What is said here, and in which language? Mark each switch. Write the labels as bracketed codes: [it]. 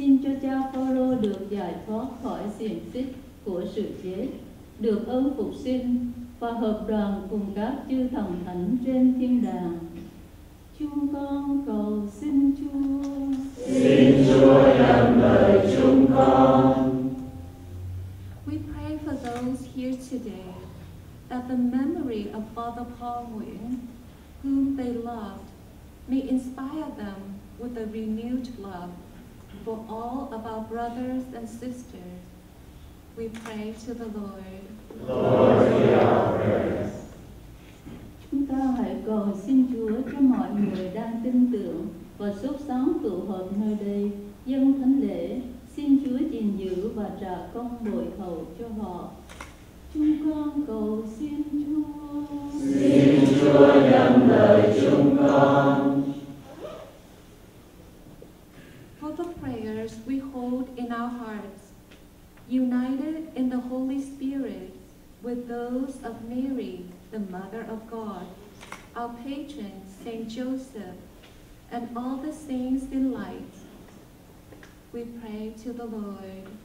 [vi] Xin cho cha Phaolô được giải thoát khỏi xiềng xích của sự chết, được ơn phục sinh và hợp đoàn cùng các chư thần thánh trên thiên đàng. Chúng con cầu xin Chúa. Xin Chúa nhận lời chúng con. [en] We pray for those here today that the memory of Father Paul Nguyễn, whom they loved, may inspire them with a renewed love for all of our brothers and sisters. We pray to the Lord. Lord, hear our prayers. [vi] Chúng ta hãy cầu xin Chúa cho mọi người đang tin tưởng và sốt sáng tụ họp nơi đây, dâng thánh lễ, xin Chúa gìn giữ và trả công bội hầu cho họ. Chúng con cầu xin Chúa. Xin Chúa nhận lời chúng con. [en] For the prayers we hold in our hearts, united in the Holy Spirit with those of Mary, the Mother of God, our patron, Saint Joseph, and all the saints in light, we pray to the Lord.